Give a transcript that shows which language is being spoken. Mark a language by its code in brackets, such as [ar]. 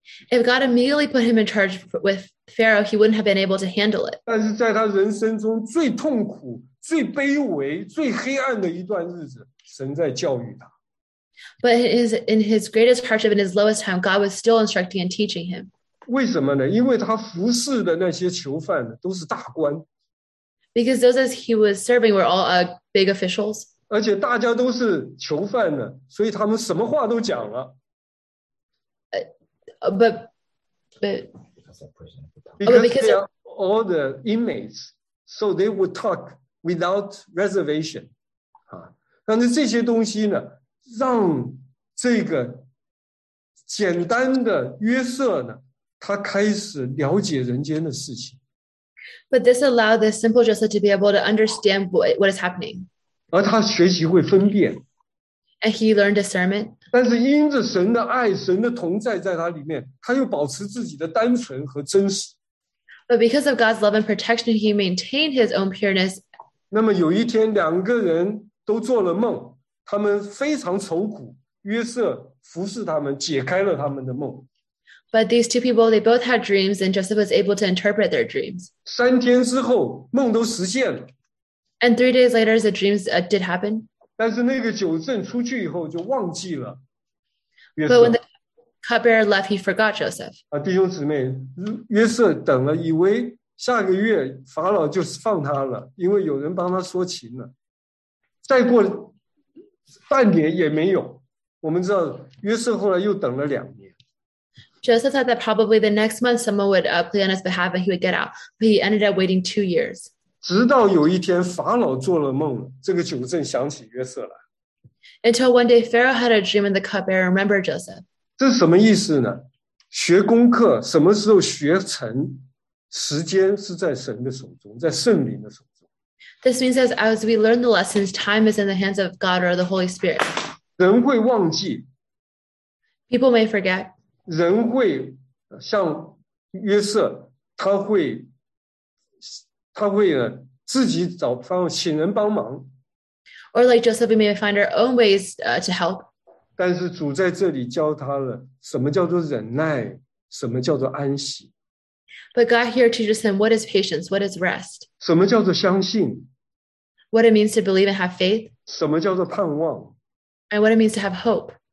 [en] If God immediately put him in charge with Pharaoh, he wouldn't have been able to handle it. [zh] 但是在他人生中最痛苦、最卑微、最黑暗的一段日子，神在教育他。 [en] But in his greatest hardship, in his lowest time, God was still instructing and teaching him. [zh] 为什么呢？因为他服侍的那些囚犯都是大官。 [en] Because those that he was serving were all big officials. [zh] 而且大家都是囚犯呢，所以他们什么话都讲了。 [en] Because all the inmates, so they would talk without reservation. [zh] 但是这些东西呢，让这个简单的约瑟呢，他开始了解人间的事情。 [en] But this allowed the simple Joseph to be able to understand what is happening. [zh] 而他学习会分辨。 [en] And he learned discernment. [zh] 但是因着神的爱，神的同在在他里面，他又保持自己的单纯和真实。 [en] But because of God's love and protection, he maintained his own pureness. [zh] 那么有一天，两个人都做了梦，他们非常愁苦，约瑟服侍他们，解开了他们的梦。 [en] But these two people, they both had dreams, and Joseph was able to interpret their dreams. [zh] 三天之后，梦都实现了。 [en] And 3 days later, the dreams did happen. [zh] 但是那个酒圣出去以后就忘记了约瑟。 [en] But when the cupbearer left, he forgot Joseph. [zh] 弟兄姊妹，约瑟等了，以为下个月法老就放他了，因为有人帮他说情了。再过半年也没有，我们知道约瑟后来又等了两年。 [en] Joseph thought that probably the next month someone would plead on his behalf and he would get out. But he ended up waiting 2 years. [zh] 直到有一天法老做了梦，这个酒圣想起约瑟来。 [en] Until one day Pharaoh had a dream and the cupbearer remembered Joseph. [zh] 这是什么意思呢？学功课什么时候学成？时间是在神的手中，在圣灵的手中。 [en] This means that as we learn the lessons, time is in the hands of God or the Holy Spirit. [zh] 人会忘记。 [en] People may forget. [zh] 人会像约瑟，他会自己找方请人帮忙。 [en] Or like Joseph, we may find our own ways to help. [zh] 但是主在这里教他了什么叫做忍耐，什么叫做安息。 [en] But God here teaches him what is patience, what is rest. [zh] 什么叫做相信。 [en] What it means to believe and have faith. [zh] 什么叫做盼望。 [en] And what it means to have hope.